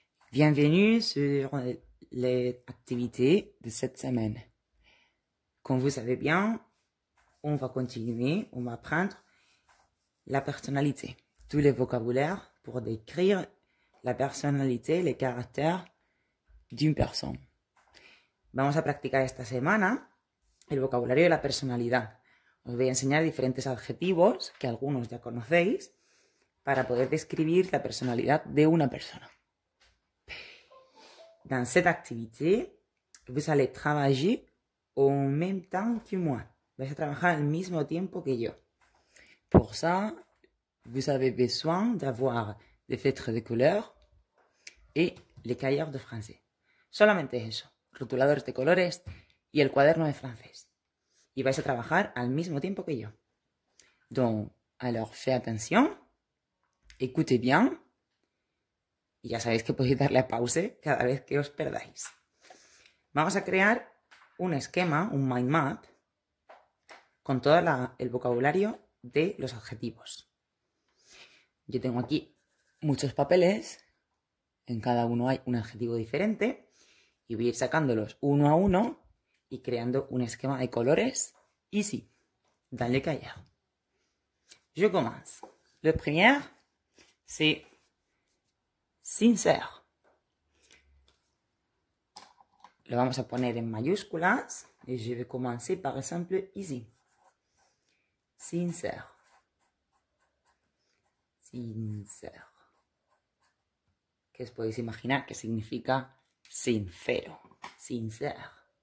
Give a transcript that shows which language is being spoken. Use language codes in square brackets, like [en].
[fr] Bienvenue sur les activités de cette semaine. Comme vous savez bien, on va continuer, on va apprendre la personnalité, tous les vocabulaires pour décrire la personnalité, les caractères d'une personne. [es] Vamos a practicar esta semana el vocabulario de la personalidad. Os voy a enseñar diferentes adjetivos que algunos ya conocéis, para poder describir [fr] la personnalité d'une personne. Dans cette activité, vous allez travailler au même temps que moi. Vous allez travailler au même temps que moi. Pour ça, vous avez besoin d'avoir des feutres de couleur et les cahiers de français. [es] Solamente eso. Rotuladores de colores y el cuaderno de francés. Y vais a trabajar al mismo tiempo que yo. [fr] Donc, alors, fais attention. Écoutez bien, [es] y ya sabéis que podéis darle a pause cada vez que os perdáis. Vamos a crear un esquema, un mind map, con todo el vocabulario de los adjetivos. Yo tengo aquí muchos papeles, en cada uno hay un adjetivo diferente, y voy a ir sacándolos uno a uno y creando un esquema de colores. Y sí, dale callado. [fr] Je commence. Le premier. C'est sincère. [es] Lo vamos a poner en mayúsculas. [fr] Et je vais commencer par exemple ici. Sincère. [es] Sincère. Que os podéis imaginar que significa sincero. Sincère.